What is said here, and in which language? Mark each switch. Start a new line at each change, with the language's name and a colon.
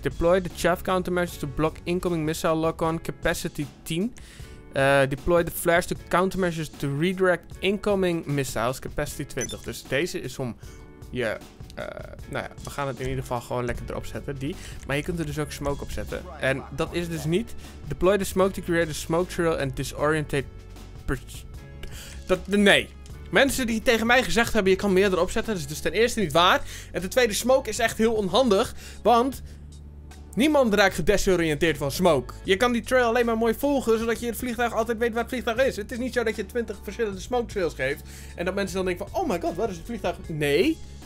English: Deploy the chaff countermeasures to block incoming missile lock-on capacity 10. Deploy the flares to countermeasures to redirect incoming missiles capacity 20.
Dutch: Dus deze is om je... Nou ja, we gaan het in ieder geval gewoon lekker erop zetten, die. Maar je kunt er dus ook smoke op zetten. En dat is dus niet...
English: Deploy the smoke to create a smoke trail and disorientate...
Dutch: Nee. Mensen die tegen mij gezegd hebben, je kan meer erop zetten, dat is dus ten eerste niet waar. En ten tweede, smoke is echt heel onhandig, want... Niemand raakt gedesoriënteerd van smoke. Je kan die trail alleen maar mooi volgen, zodat je het vliegtuig altijd weet waar het vliegtuig is. Het is niet zo dat je 20 verschillende smoke trails geeft. En dat mensen dan denken van,
English: oh my god,
Dutch: waar is het vliegtuig? Nee.